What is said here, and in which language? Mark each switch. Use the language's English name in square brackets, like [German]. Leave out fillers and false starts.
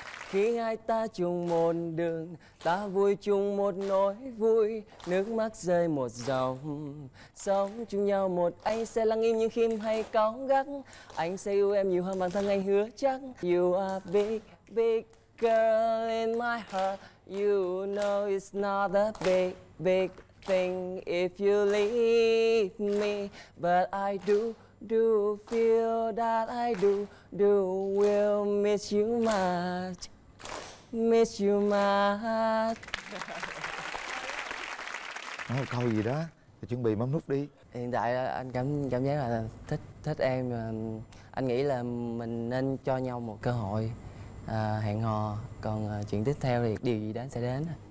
[Vietnamese] Khi hai ta chung một đường, ta vui chung một nỗi vui, nước mắt rơi một dòng. Sống chung nhau một anh sẽ lặng im nhưng khi hay cáu gắt. Anh sẽ yêu em nhiều hơn bản thân anh hứa chắc. [English] You are big, big girl in my heart. You know it's not a big, big thing if you leave me. But I do, do feel that I do, do will miss you much. Miss you much. [Vietnamese] Nói một câu gì đó thì chuẩn bị bấm nút đi. Hiện tại anh cảm giác là thích em. Anh nghĩ là mình nên cho nhau một cơ hội hẹn hò. Còn chuyện tiếp theo thì điều gì đến sẽ đến.